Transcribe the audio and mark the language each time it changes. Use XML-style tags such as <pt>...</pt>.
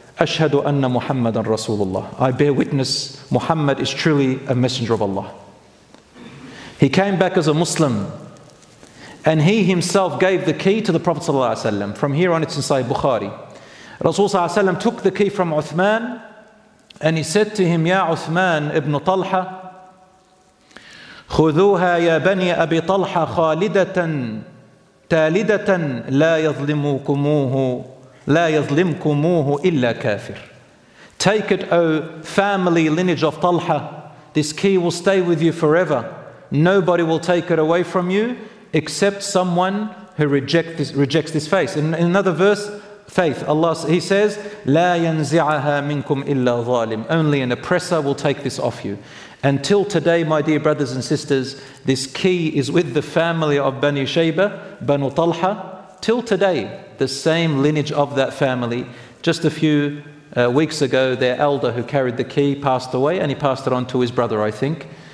<ar>Ashhadu anna Muhammadan Rasulullah.</ar> <en>I bear witness Muhammad is truly a messenger of Allah. He came back as a Muslim. And he himself gave the key to the Prophet sallallahu alaihi wasallam. From here on, it's in Sahih Bukhari. Rasul sallallahu alaihi wasallam took the key from Uthman. And he said to him, Ya Uthman ibn Talha,</en> <ar>خذوها يا بني أبي طلحة خالدة تالدة لا يظلمكموه لا يظلمكموه إلا كافر.</ar> <en>Take it, O family lineage of Talha. This key will stay with you forever. Nobody will take it away from you except someone who rejects this faith. In another verse, faith. Allah, He says,</en> <ar>لا ينزعها منكم إلا ظالم.</ar> <en>Only an oppressor will take this off you. Until today, my dear brothers and sisters, this key is with the family of Bani Shayba, Banu Talha. Till today, the same lineage of that family. Just a few weeks ago, their elder who carried the key passed away, and he passed it on to his brother, I think.</en>